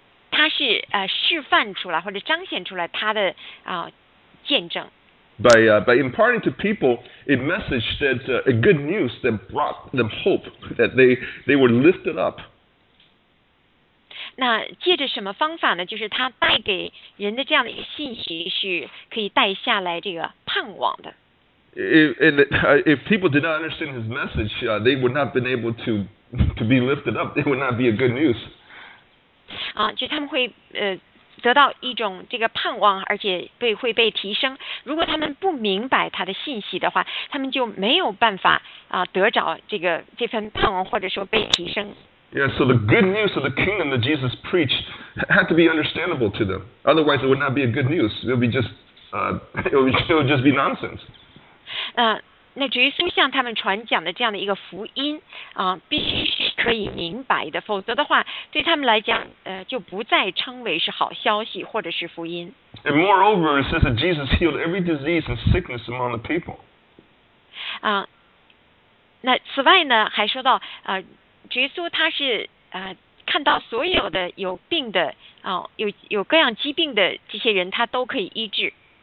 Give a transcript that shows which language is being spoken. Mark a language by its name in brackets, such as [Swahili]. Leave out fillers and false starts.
[Chinese] 他是示范出来或者彰显出来他的见证。 [English] By imparting to people a message that a good news that brought them hope that they were lifted up. [Chinese] 那借着什么方法呢？就是他带给人的这样的一个信息是可以带下来这个盼望的。 [English] If people did not understand his message, they would not been able to be lifted up. It would not be a good news. [Chinese] 就他们会得到一种这个盼望，而且会被提升。如果他们不明白他的信息的话，他们就没有办法得着这份盼望，或者说被提升。 [English] Yeah, so the good news of the kingdom that Jesus preached had to be understandable to them. Otherwise, it would not be a good news. It would just be nonsense. [Chinese] 那至于苏向他们传讲的这样的一个福音必须是可以明白的，否则的话，对他们来讲，就不再称为是好消息或者是福音。 [English] And moreover, it says that Jesus healed every disease and sickness among the people. [Chinese] 那此外呢，还说到耶稣他是看到所有的有病的有各样疾病的这些人他都可以医治。